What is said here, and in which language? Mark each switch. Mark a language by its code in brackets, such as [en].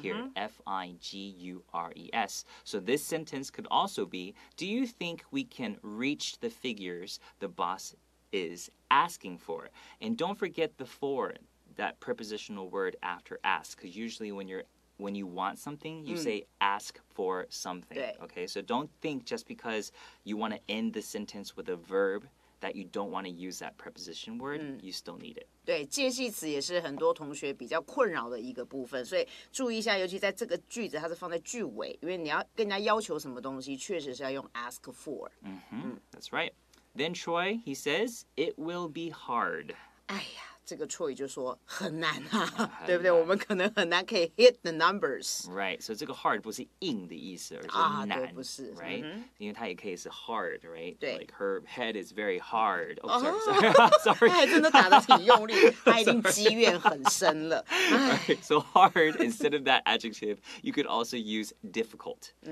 [en] Here, F-I-G-U-R-E-S So this sentence could also be Do you think we can reach the figures The boss is asking for And don't forget the for That prepositional word after ask Because usually when you want something, you、mm. say ask for something. Okay, so don't think just because you want to end the sentence with a verb that you don't want to use that preposition word,、mm. you still need it. [zh] 对，介系词也是很多同学比较困扰的一个部分，所以注意一下，尤其在这个句子，它是放在句尾，因为你要跟人家要求什么东西，确实是要用 ask for. [en] Mm-hmm. Mm. That's right. Then Troy, he says, it will be hard. [zh] 哎呀。这个 Troy 就说很难啊，对不对？我们可能很难可以 [en] hit the numbers. Right, so [zh] 这个 hard 不是硬的意思，而是难。啊，对，不是。 Right,、因为它也可以是 hard, right? 对。 [en] Like her head is very hard. Oh, sorry. [zh] 她还真的打得挺用力，她已经积怨很深了。 [en] Right, so hard, instead of that adjective, you could also use difficult.